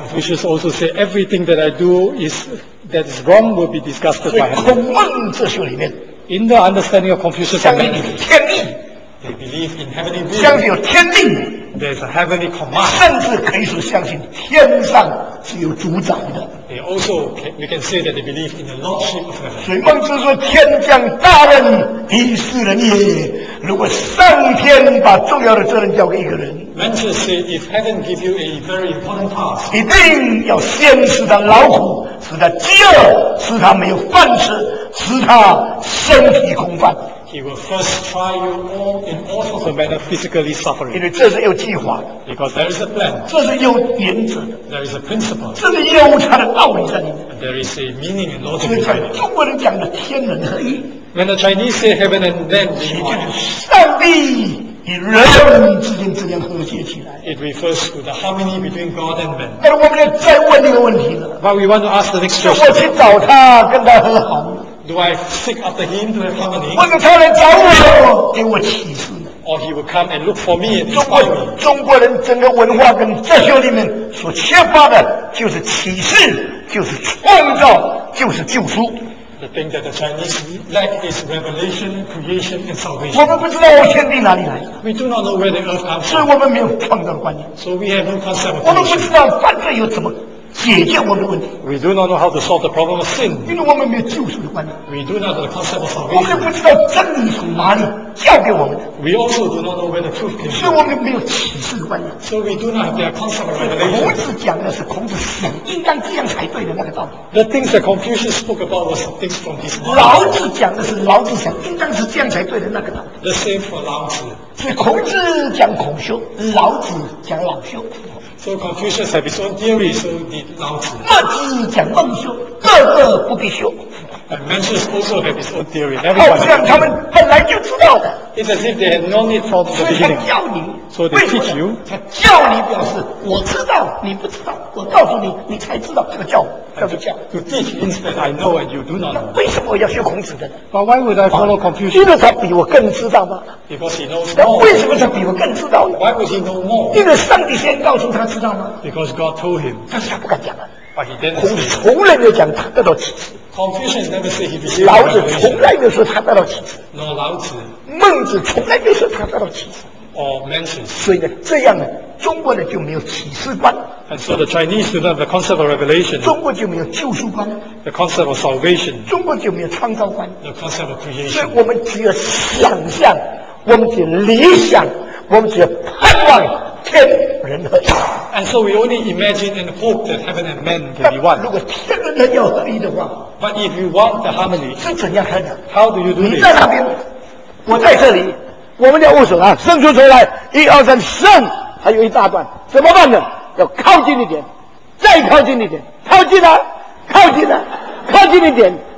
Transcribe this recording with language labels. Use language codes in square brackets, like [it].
[en] Confucius also said, everything that I do that is wrong will be disgusted by heaven. [zh] 孔孟哲学里面， [en] in the understanding of Confucius, [zh] 相信有天命， [en] they believe in heavenly being. [zh] 相信有天命， [en] there's a heavenly command. [zh] 甚至可以说相信天上是有主宰的。 [en] They also, we can say that they believe in the lordship of heaven. [zh] 所以孟子说，天降大任于斯人也。如果上天把重要的责任交给一个人， [en] Mencius said, if heaven give you a very important task, [zh] 一定要先使他劳苦，使他饥饿，使他没有饭吃，使他身体空泛。 [en] He will first try you all in all sorts of manner physically suffering. [zh] 因为这是有计划的。 [en] Because there is a plan. [zh] 这是有原则的。 [en] There is a principle. [zh] 这是有它的道理在里面。 [en] There is a meaning and logic behind it. [zh] 这是中国人讲的天人合一。 [en] When the Chinese say heaven and man, [zh] 也就是上帝与人之间这样和谐起来。 [en] It refers to the harmony between God and man. [zh] 那我们要再问一个问题了。 [en] But we want to ask the next question. [zh] 我去找他，跟他和好。 [en] Do I seek after him to have harmony? [zh] 或者他来找我，给我启示。 [en] Or he will come and look for me and inspire me. [zh] 中国人整个文化跟哲学里面所缺乏的就是启示，就是创造，就是救赎。 [en] The thing that the Chinese lack is revelation, creation, and salvation. [zh] 我们不知道我天地哪里来。 [en] We do not know where the earth comes from. [zh] 所以我们没有创造的观念。 [en] So we have no concept of creation. [zh] 我们不知道犯罪又怎么解决我们的问题。 [en] We do not know how to solve the problem of sin. [zh] 因为我们没有救赎的观念。 [en] We do not know the concept of salvation. [zh] 我们不知道真理从哪里教给我们的。 [en] We also do not know where the truth came from. [zh] 所以我们没有启示的观念。 [en] So we do not have the concept of revelation. [zh] 孔子讲的是孔子想应当这样才对的那个道理。 [en] The things that Confucius spoke about was things from his mind. [zh] 老子讲的是老子想应当是这样才对的那个道理。 [en] The same for 老子。 [zh] 所以孔子讲孔修，老子讲老修。 [en] So Confucius have his own theory, so did Lao Tzu. [zh] 墨子讲孟子，个个不必修。 [en] And Mencius also have his own theory. [zh] 孟子让他们本来就知道的。 [en] It's as if they had known it from the beginning. [zh] 所以他教你。 [en] So they teach you. [zh] 他教你表示我知道，你不知道。我告诉你，你才知道。这个教，叫做教。 [en] To teach means that I know and you do not know. [zh] 为什么我要学孔子的呢？ [en] But why would I follow Confucius? [zh] 因为他比我更知道吗？ [en] Because he knows more. [zh] 为什么他比我更知道呢？ [en] Why would he know more? [zh] 因为上帝先告诉他知道吗？ [en] Because God told him. [zh] 但是他不敢讲啊。 [en] But he didn't. [zh] 孔子从来没有讲他得到启示。 [en] Confucius never said he received [zh] 老子从来没有说他得到启示。 [en] No, 老子。 [zh] 孟子从来没有说他得到启示。 [en] Or mentions. [zh] 所以呢，这样呢，中国呢就没有启示观。 [en] And so the Chinese do not have the concept of revelation. [zh] 中国就没有救赎观。 [en] The concept of salvation. [zh] 中国就没有创造观。 [en] The concept of creation. [zh] 所以我们只有想象，我们只有理想，我们只有盼望天人合一。 [en] And so we only imagine and hope that heaven and man can be one. [zh] 如果天人要合一的话。 [en] But if you want the harmony, [zh] 是怎样看的？ [en] How do you do this? [zh] 你在那边，我在这里，我们要握手啊，伸出手来，一二三，伸，还有一大段，怎么办呢？要靠近一点，再靠近一点，靠近啊，靠近啊，靠近一点。